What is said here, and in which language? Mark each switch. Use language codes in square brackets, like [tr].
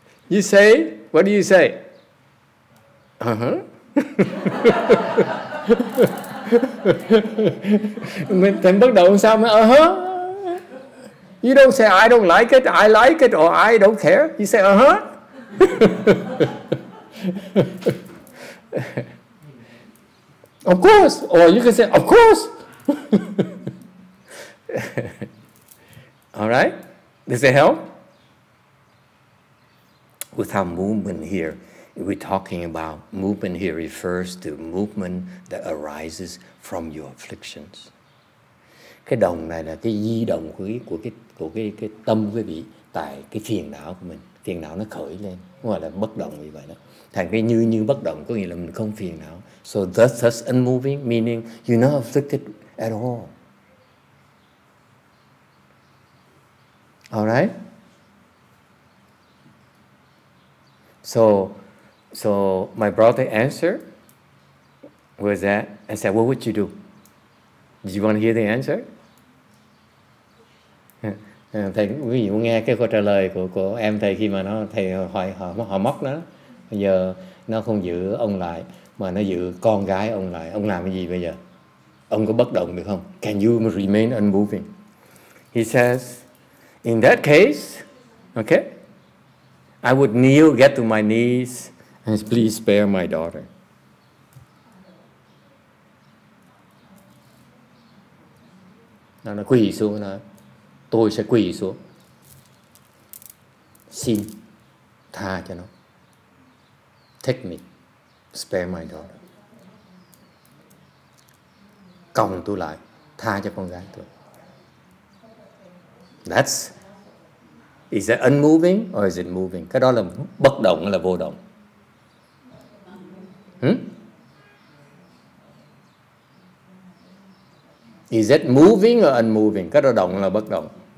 [en] You say, what do you say? Uh-huh. [vi] Mình thành bất động sao mà uh-huh. [en] You don't say I don't like it, I like it, or I don't care. You say uh-huh. Of course, or you can say, of course. All right, does it help? With our movement here, we're talking about movement here refers to movement that arises from your afflictions. [vi] Cái đồng này là cái di động của cái tâm quý vị tại cái phiền não của mình. Phiền não nó khởi lên, gọi là bất động như vậy đó. Thành cái như bất động có nghĩa là mình không phiền não. [en] So thus unmoving, meaning you're not afflicted at all. Alright? So my brother answered was that, I said, what would you do? Did you want to hear the answer? [vi] Thầy quý vị muốn nghe cái câu trả lời của em thầy khi mà nó thầy hỏi họ móc nó. Bây giờ nó không giữ ông lại mà nó giữ con gái ông lại. Ông làm cái gì bây giờ? Ông có bất động được không? [en] Can you remain unmoving? He says, in that case, okay, I would kneel, get to my knees, and please spare my daughter. [vi] Nó quỳ xuống nó. Tôi sẽ quỳ xuống, xin tha cho nó. [en] Take me, spare my daughter. [vi] Còng tôi lại, tha cho con gái tôi. [en] That's, is it unmoving or is it moving? [vi] Cái đó là bất động hay là vô động? [en] Is it moving or unmoving? [vi] Cái đó động hay là bất động?